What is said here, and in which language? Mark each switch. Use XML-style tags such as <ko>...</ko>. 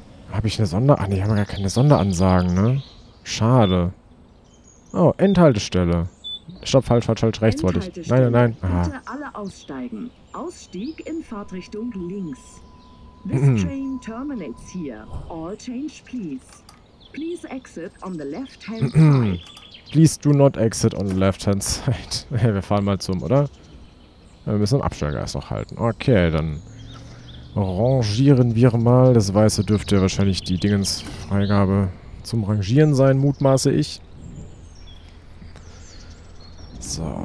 <de>Habe ich eine Sonder... Ach ne, ich habe gar keine Sonderansagen, ne? Schade. Oh, Endhaltestelle. Stopp, falsch, falsch, falsch, rechts wollte ich. Nein, nein, nein. Aha. Bitte alle aussteigen. Ausstieg in Fahrtrichtung links.</de> <en>This train terminates here. All change, please. Please exit on the left-hand side. Please do not exit on the left-hand side.</en> <de>Wir fahren mal zum, oder? Wir müssen den Abstellgleis noch halten. Okay, dann rangieren wir mal. Das Weiße dürfte wahrscheinlich die Dingensfreigabe zum Rangieren sein, mutmaße ich. So.</de>